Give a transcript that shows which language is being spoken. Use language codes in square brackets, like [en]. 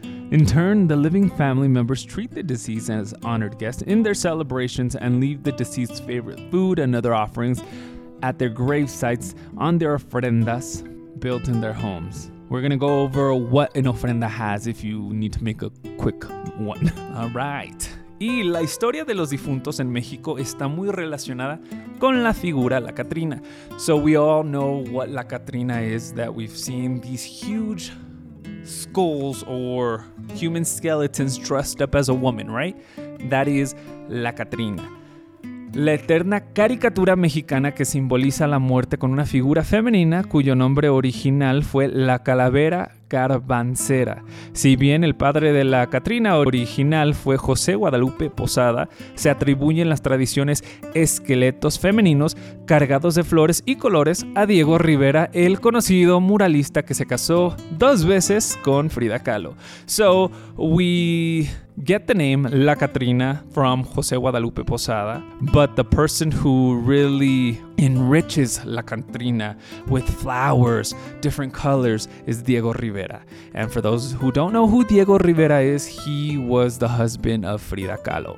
[en] In turn, the living family members treat the deceased as honored guests in their celebrations and leave the deceased's favorite food and other offerings at their grave sites on their ofrendas built in their homes. We're going to go over what an ofrenda has if you need to make a quick one. All right. [es] Y la historia de los difuntos en México está muy relacionada con la figura La Catrina. [en] So we all know what La Catrina is, that we've seen these huge skulls or human skeletons dressed up as a woman, right? That is La Catrina. [es] La eterna caricatura mexicana que simboliza la muerte con una figura femenina cuyo nombre original fue La Calavera Carbancera. Si bien el padre de la Catrina original fue José Guadalupe Posada, se atribuyen las tradiciones esqueletos femeninos cargados de flores y colores a Diego Rivera, el conocido muralista que se casó dos veces con Frida Kahlo. [en] So we get the name La Catrina from José Guadalupe Posada, but the person who really enriches La Catrina with flowers, different colors, is Diego Rivera. And for those who don't know who Diego Rivera is, he was the husband of Frida Kahlo.